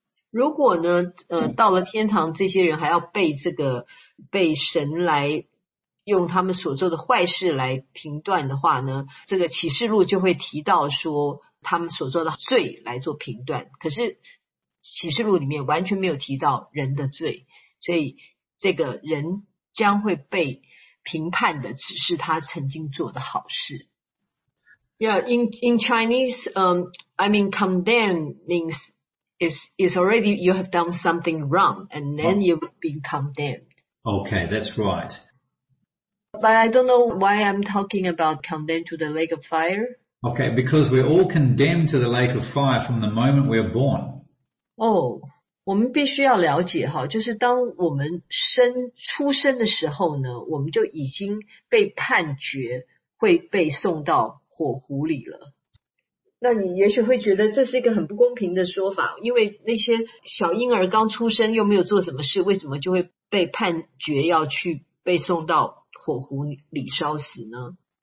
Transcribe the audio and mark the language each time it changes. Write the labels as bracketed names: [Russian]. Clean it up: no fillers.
[Chinese] 如果呢，到了天堂，这些人还要被这个被神来用他们所做的坏事来评断的话呢，这个启示录就会提到说他们所做的罪来做评断。可是启示录里面完全没有提到人的罪，所以这个人将会被评判的只是他曾经做的好事。 [English] Yeah, in Chinese, condemn means. It's already you have done something wrong and then you've been condemned. Okay, that's right. But I don't know why I'm talking about condemned to the lake of fire. Okay, because we're all condemned to the lake of fire from the moment we're born. [Chinese] Oh, 我们必须要了解哈，就是当我们出生的时候呢，我们就已经被判决会被送到火湖里了。那你也许会觉得这是一个很不公平的说法，因为那些小婴儿刚出生又没有做什么事，为什么就会被判决要去被送到火湖里烧死呢？